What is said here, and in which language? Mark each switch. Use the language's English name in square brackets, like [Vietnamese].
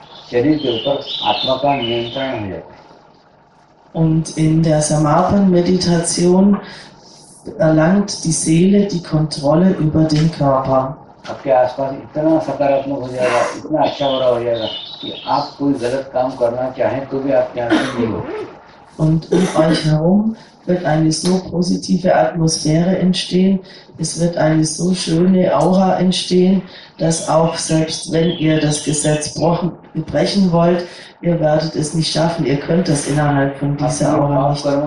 [Hindi] शरीर के ऊपर आत्मा का नियंत्रण हो जाता है। [German] Und in der Samadhi-Meditation erlangt die Seele die Kontrolle über den Körper. [Hindi] आपके आसपास इतना सकारात्मक हो जाएगा, इतना अच्छा बुरा हो जाएगा कि आप कोई गलत काम करना चाहें तो भी आपके हाथ में नहीं हो। [German] Und um euch herum wird eine so positive Atmosphäre entstehen, es wird eine so schöne Aura entstehen, dass auch selbst wenn ihr das Gesetz brechen wollt, ihr werdet es nicht schaffen, ihr könnt das innerhalb von dieser Aura nicht.